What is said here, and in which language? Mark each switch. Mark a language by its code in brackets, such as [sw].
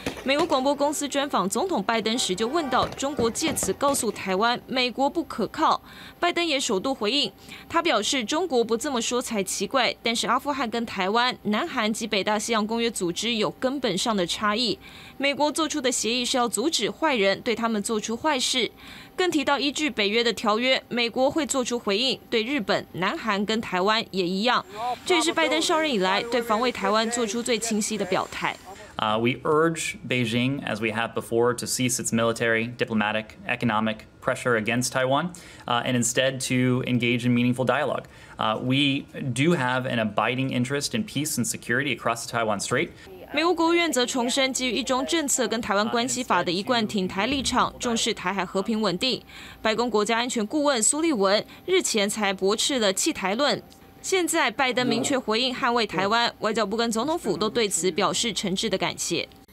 [zh] 美国广播公司专访总统拜登时就问到，中国借此告诉台湾美国不可靠，拜登也首度回应，他表示中国不这么说才奇怪，但是阿富汗跟台湾、南韩及北大西洋公约组织有根本上的差异，美国做出的协议是要阻止坏人对他们做出坏事，更提到依据北约的条约，美国会做出回应，对日本、南韩跟台湾也一样。这也是拜登上任以来对防卫台湾做出最清晰的表态。 [en] We urge Beijing, as we have before, to cease its military, diplomatic, economic pressure against Taiwan, and instead to engage in meaningful dialogue. We do have an abiding interest in peace and security across the Taiwan Strait. [zh] 美国国务院则重申，基于一中政策跟台湾关系法的一贯挺台立场，重视台海和平稳定。白宫国家安全顾问苏利文日前才驳斥了弃台论，现在拜登明确回应捍卫台湾，外交部跟总统府都对此表示诚挚的感谢。